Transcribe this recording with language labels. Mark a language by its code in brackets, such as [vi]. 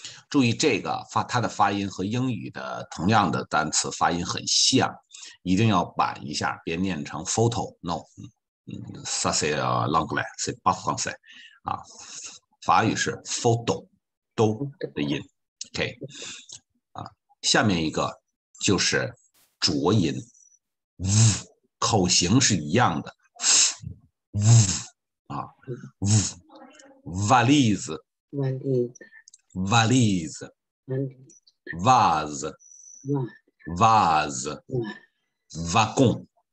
[zh] 注意这个它的发音和英语的同样的单词发音很像，一定要板一下，别念成 photo，no。 [fr] ça c'est l'anglais, c'est pas français. [zh] 法语是 photo 都的音。下面一个就是浊音，v 口型是一样的，v，valise，valise，vase，vase，vagon。